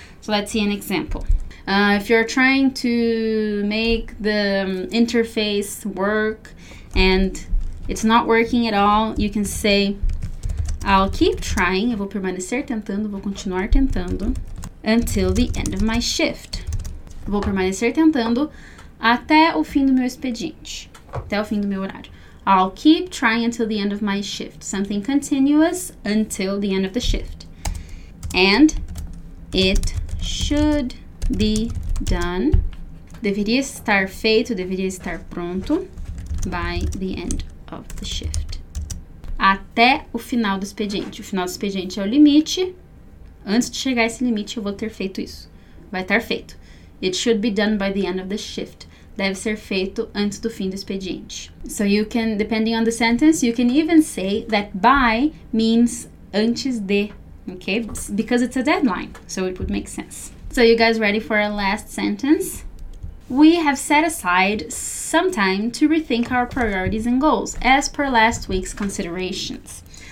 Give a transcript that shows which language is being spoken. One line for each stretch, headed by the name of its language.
English: So let's see an example. If you're trying to make the interface work and it's not working at all, you can say, I'll keep trying,
Portuguese: eu vou permanecer tentando, vou continuar tentando,
English: until the end of my shift.
Portuguese: Vou permanecer tentando até o fim do meu expediente, até o fim do meu horário.
English: I'll keep trying until the end of my shift. Something continuous until the end of the shift. And it should be done.
Portuguese: Deveria estar feito, deveria estar pronto
English: by the end of the shift.
Portuguese: Até o final do expediente. O final do expediente é o limite. Antes de chegar esse limite, eu vou ter feito isso. Vai estar feito.
English: It should be done by the end of the shift.
Portuguese: Deve ser feito antes do fim do expediente.
English: So you can, depending on the sentence, you can even say that by means
Portuguese: antes de.
English: Okay? Because it's a deadline. So it would make sense. So you guys ready for our last sentence? We have set aside some time to rethink our priorities and goals as per last week's considerations.